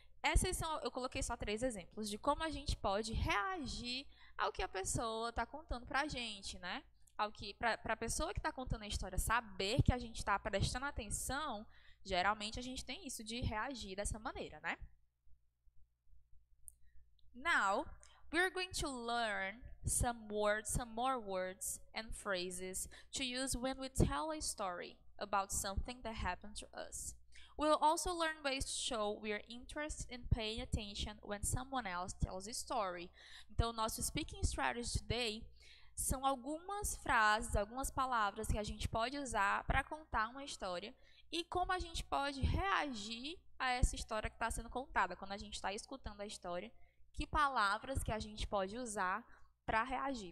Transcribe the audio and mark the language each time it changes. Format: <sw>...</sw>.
<pt>Essas são, eu coloquei só três exemplos de como a gente pode reagir ao que a pessoa está contando pra gente, né? Ao que, pra pessoa que está contando a história saber que a gente está prestando atenção, geralmente a gente tem isso de reagir dessa maneira, né?</pt> <en>Now, we're going to learn some more words and phrases to use when we tell a story about something that happened to us. We'll also learn ways to show we're interested in paying attention when someone else tells a story.</en> <pt>Então, nosso</pt> <en>speaking strategy today</en> <pt>são algumas frases, algumas palavras que a gente pode usar para contar uma história e como a gente pode reagir a essa história que está sendo contada. Quando a gente está escutando a história, que palavras que a gente pode usar para reagir?</pt>